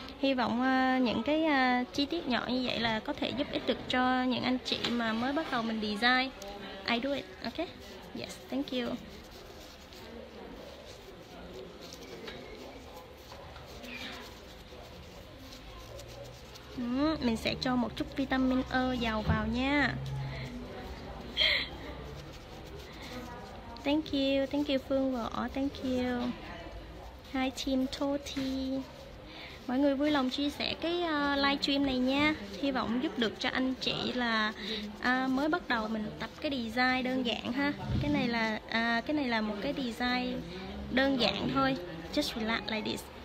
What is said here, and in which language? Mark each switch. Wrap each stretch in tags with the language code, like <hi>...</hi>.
<vi>Hy vọng những cái chi tiết nhỏ như vậy là có thể giúp ích được cho những anh chị mà mới bắt đầu mình design.</vi> <en>I do it, okay? Yes, thank you.</en> <vi>Mình sẽ cho một chút vitamin E giàu vào nha.</vi> <en>Thank you Phương Võ, thank you. Hi team Toti.</en> <vi>Mọi người vui lòng chia sẻ cái live stream này nha. Hy vọng giúp được cho anh chị là mới bắt đầu mình tập cái design đơn giản ha. Cái này là một cái design đơn giản thôi.</vi> <en>Just relax like this.</en>